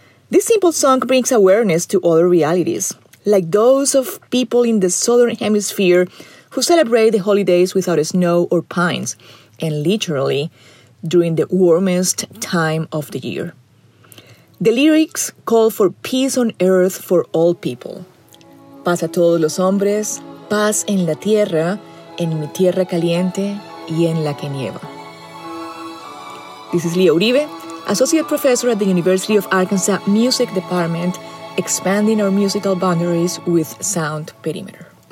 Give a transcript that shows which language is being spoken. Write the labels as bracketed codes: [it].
[en] This simple song brings awareness to other realities, like those of people in the Southern Hemisphere who celebrate the holidays without snow or pines, and literally during the warmest time of the year. The lyrics call for peace on earth for all people. [es] Paz a todos los hombres, paz en la tierra, en mi tierra caliente y en la que nieva. [en] This is Lila Uribe, Associate Professor at the University of Arkansas Music Department, expanding our musical boundaries with Sound Perimeter.